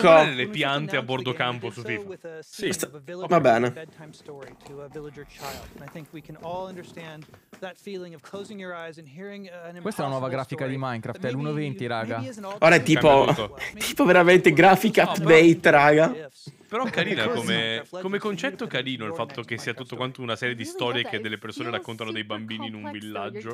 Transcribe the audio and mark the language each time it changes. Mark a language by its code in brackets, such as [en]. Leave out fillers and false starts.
[it] Posso vedere le piante a bordo campo su FIFA? Sì. Va bene. [en] To a villager child. And I think we can all understand that feeling of closing your eyes and hearing an. [it] Questa è la nuova grafica di Minecraft, è l'1.20, raga. Ora è tipo veramente grafica update, raga. Però carina come concetto, carino il fatto che sia tutto quanto una serie di storie che delle persone raccontano dei bambini in un villaggio.